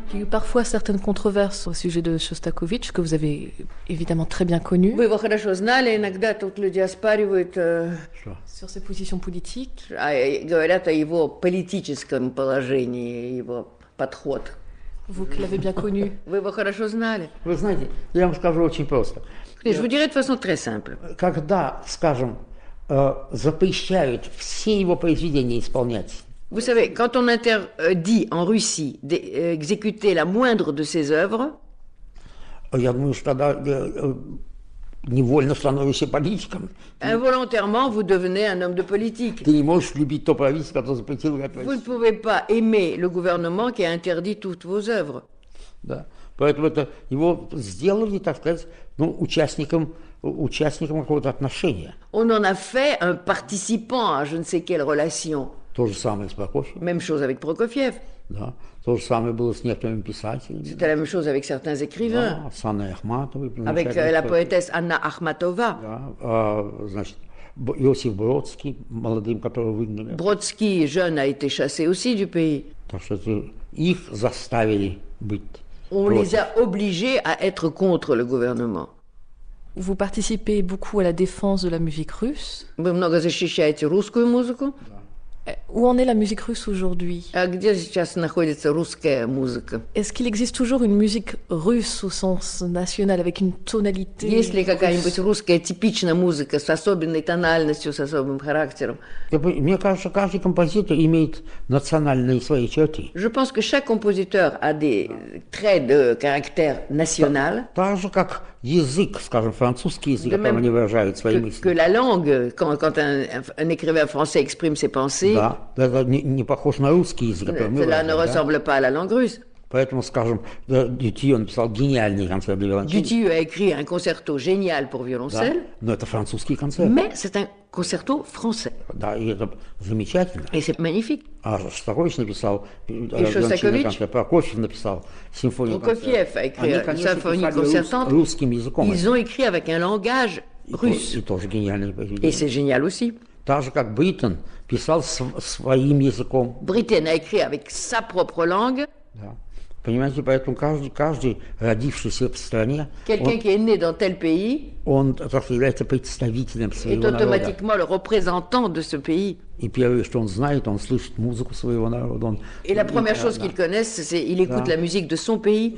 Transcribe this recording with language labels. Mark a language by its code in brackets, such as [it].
[fr] Parfois certaines controverses au sujet de Шостакович que vous avez évidemment très bien connu. [ru] Вы его хорошо знали, иногда тут люди оспаривают [fr] sur ses positions politiques. [ru] Говорят о его политическом положении, его подход. [fr] Vous que l'avez bien connu. [ru] Вы его хорошо знали. Вы знаете, я вам скажу очень просто. [fr] Je vous dirai de façon très simple. [ru] Когда, скажем, запрещают все его произведения исполнять. [fr] Vous savez, quand on interdit en Russie d'exécuter la moindre de ses œuvres, involontairement, vous devenez un homme de politique. Vous ne pouvez pas aimer le gouvernement qui a interdit toutes vos œuvres. [ru] Поэтому это его сделали, так сказать, ну, участником какого-то отношения. [fr] On en a fait un participant à je ne sais quelle relation. [ru] То же самое с Прокофьевым. [fr] Même chose avec Prokofiev. [ru] Да. То же самое было с некоторыми писателями. [fr] C'était la même chose avec certains écrivains. [ru] Да, с Анной Ахматовой. [fr] Avec la poétesse Анна Ахматова. [ru] Да. Значит, Иосиф Бродский, молодым, которого выгнали. [fr] Бродский, jeune, a été chassé aussi du pays. [ru] Так что их заставили быть. [fr] On les a obligés à être contre le gouvernement. Vous participez beaucoup à la défense de la musique russe. [ru] Вы много защищаете русскую музыку. [fr] Où en est la musique russe aujourd'hui? [ru] А где сейчас находится русская музыка? [fr] Est-ce qu'il existe toujours une musique russe au sens national avec une tonalité? [ru] Есть ли какая-нибудь русская типичная музыка с особенной тональностью, с особым характером? Мне кажется, каждый композитор имеет национальные свои черты. [fr] Je pense que chaque compositeur a des traits de caractère national. [ru] Так же как язык, скажем, французский язык, там они выражают свои мысли. [fr] Que la langue, quand un écrivain français exprime ses pensées. [ru] Да, это не похож на русский язык. [fr] Cela ne ressemble pas à la langue russe. [ru] Поэтому, скажем, Дютилль написал гениальный концерт для виолончели. [fr] Дютилль a écrit un concerto génial pour violoncelle. [ru] Да, но это французский концерт. [fr] Mais c'est un concerto français. [ru] Да, и это замечательно. [fr] Et c'est magnifique. [ru] А Шостакович написал виолончельный концерт. Прокофьев написал симфонию. [fr] Прокофьев a écrit une symphonie concertante. [ru] Русским языком. [fr] Ils ont écrit avec un langage russe. [ru] И тоже гениальный. [fr] Et c'est génial aussi. [ru] Так же, как Бриттен писал своим языком. [fr] Бриттен a écrit avec sa propre langue. [ru] Да. Понимаете, поэтому каждый родившийся в стране, [fr] quelqu'un qui est né dans tel pays, [ru] он является представителем своего народа. [fr] Est automatiquement le représentant de ce pays. [ru] И первое, что он знает, он слышит музыку своего народа. [fr] Et la première chose qu'il connaît, c'est il écoute la musique de son pays.